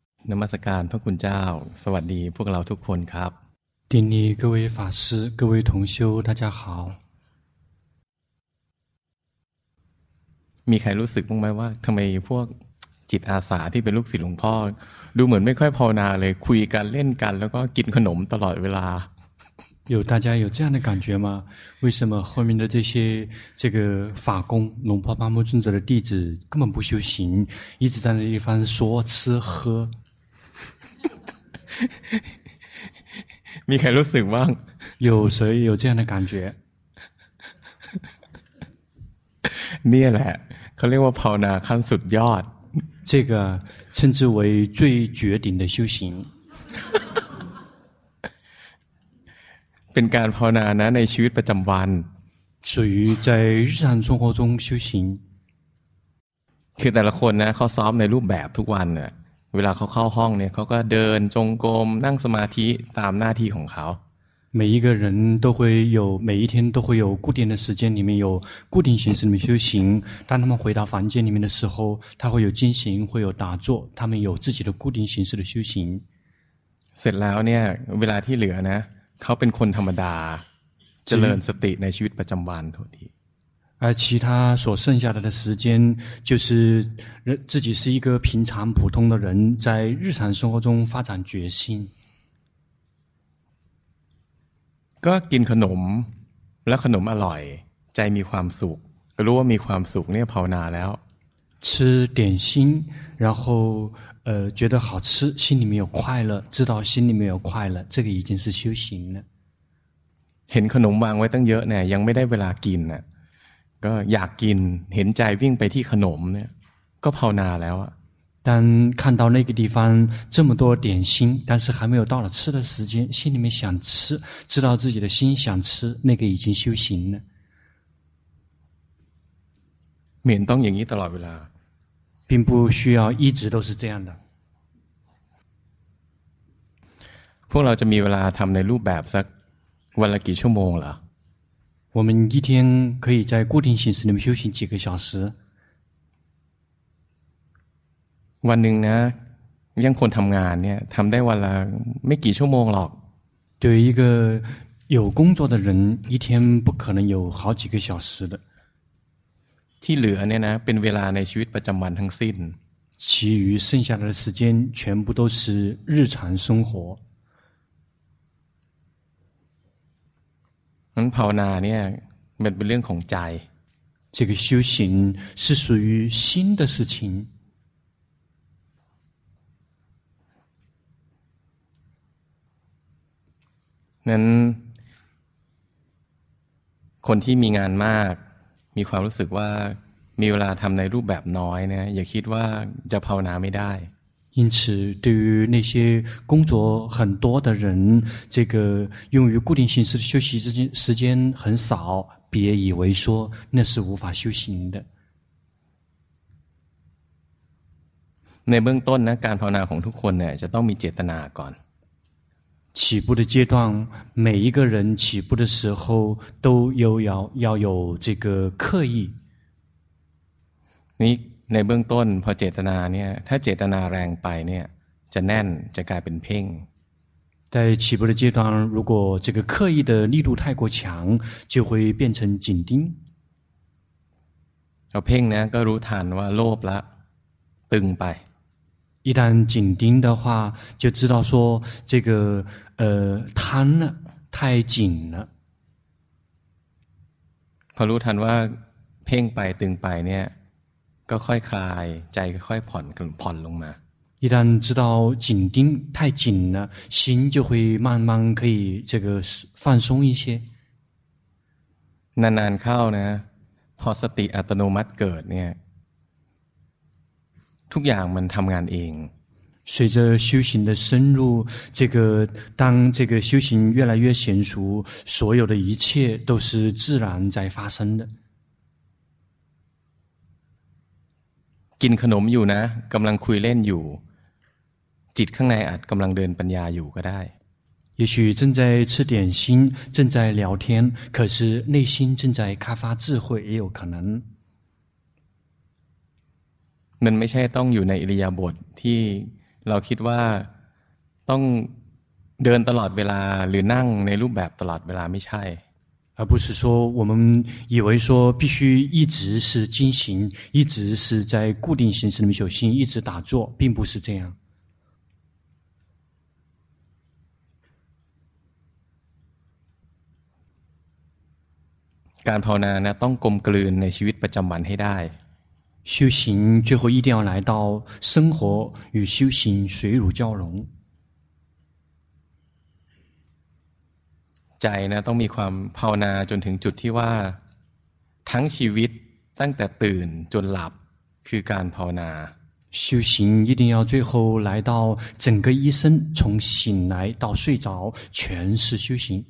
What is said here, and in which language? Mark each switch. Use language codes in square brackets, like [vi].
[th] นมัสการพระคุณเจ้าสวัสดีพวกเราทุกคนครับ ทีนี้ [zh] 各位法师各位同修大家好 [th] มีใครรู้สึกบ้างไหมว่าทำไมพวกจิตอาสาที่เป็นลูกศิษย์หลวงพ่อดูเหมือนไม่ค่อยภาวนาเลยคุยกันเล่นกันแล้วก็กินขนมตลอดเวลา [zh] 有大家有这样的感觉吗？为什么后面的这些这个法工龙婆巴木尊者的弟子根本不修行，一直在那地方说吃喝？ [th] มีใครรู้สึกบ้าง？ [zh] 有谁有这样的感觉？ [th] เนี่ยแหละเขาเรียกว่าภาวนาขั้นสุดยอด。 [zh] 这个称之为最绝顶的修行。 [th] เป็นการภาวนานะในชีวิตประจำวัน [zh] 属于在日常生活中修行 [th] คือแต่ละคนนะเขาซ้อมในรูปแบบทุกวันเนี่ยเวลาเขาเข้าห้องเนี่ยเขาก็เดินจงกรมนั่งสมาธิตามหน้าที่ของเขา [zh] 每一个人都会有每一天都会有固定的时间里面有固定形式里面修行当他们回到房间里面的时候他会有静行会有打坐他们有自己的固定形式的修行 [th] เสร็จแล้วเนี่ยเวลาที่เหลือนะเขาเป็นคนธรรมดาเจริญสติในชีวิตประจำวันทุกที [zh] 而其他所剩下的时间就是自己是一个平常普通的人在日常生活中发展决心 [th] ก็กินขนมและขนมอร่อยใจมีความสุขรู้ว่ามีความสุขเนี่ยภาวนาแล้ว [zh] 吃点心然后觉得好吃心里面有快乐知道心里面有快乐这个已经是修行了 [th] เห็นขนมวางไว้ตั้งเยอะเนี่ยยังไม่ได้เวลากินน่ะก็อยากกินเห็นใจวิ่งไปที่ขนมเนี่ยก็ภาวนาแล้วอ่ะ [zh] 但看到那个地方这么多点心但是还没有到了吃的时间心里面想吃知道自己的心想吃那个已经修行了 [th] เหมือนต้องอย่างนี้ตลอดเวลา [zh] 并不需要一直都是这样的 [th] พวกเราจะมีเวลาทำในรูปแบบสักวันละกี่ชั่วโมงเหร [zh] อ我们一天可以在固定形式里面修行几个小时 [th] วันหนึ่งนะยังคนทำงานเนี่ยทำได้วันละไม่กี่ชั่วโมงหรอก [zh] 对一个有工作的人一天不可能有好几个小时的 [th] ที่เหลือเนี่ยนะเป็นเวลาในชีวิตประจำวันทั้งสิ้น [zh] 其余剩下的时间全部都是日常生活 [th] นั้นภาวนาเนี่ยมันเป็นเรื่องของใจ [zh] 这个修行是属于心的事情 [th] นั้นคนที่มีงานมากมีความรู้สึกว่ามีเวลาทำในรูปแบบน้อยนะอย่าคิดว่าจะภาวนาไม่ได้ [zh] 因此对于那些工作很多的人这个用于固定形式的休息时间很少别以为说那是无法修行的 [th] ในเบื้องต้นนะการภาวนาของทุกคนเนี่ยจะต้องมีเจตนาก่อน [zh] 起步的阶段每一个人起步的时候都要有这个刻意 [th] นี่ในเบื้องต้นพอเจตนาเนี่ยถ้าเจตนาแรงไปเนี่ยจะแน่นจะกลายเป็นเพ่ง [zh] 在起步的阶段如果这个刻意的力度太过强就会变成紧盯 [th] พอเพ่งนะก็รู้ทันว่าโลภละตึงไป [zh] 一旦紧盯的话就知道说这个贪了太紧了 [th] พอรู้ทันว่าเพ่งไปตึงไปเนี่ยก็ค่อยคลายใจค่อยผ่อนลงมา [zh] 一旦知道紧盯太紧了心就会慢慢可以这个放松一些 [th] นานๆเข้านะพอสติอัตโนมัติเกิดเนี่ยทุกอย่างมันทำงานเอง [zh] 随着修行的深入这个当这个修行越来越娴熟所有的一切都是自然在发生的 [th] กินขนมอยู่นะกำลังคุยเล่นอยู่จิตข้างในอาจกำลังเดินปัญญาอยู่ก็ได้ [zh] 也许正在吃点心正在聊天可是内心正在开发智慧也有可能 [th] มันไม่ใช่ต้องอยู่ในอิริยาบถที่เราคิดว่าต้องเดินตลอดเวลาหรือนั่งในรูปแบบตลอดเวลาไม่ใช่ [zh] 而不是说我们以为说必须一直是进行一直是在固定形式里面修行一直打坐并不是这样 [th] การภาวนาเนี่ยต้องกลมกลืนในชีวิตประจำวันให้ได้ [zh] 修行最后一定要来到生活与修行水乳交融 [th] ใจนะต้องมีความภาวนาจนถึงจุดที่ว่าทั้งชีวิตตั้งแต่ตื่นจนหลับคือการภาวนา [zh] 修行一定要最后来到整个一生从醒来到睡着全是修行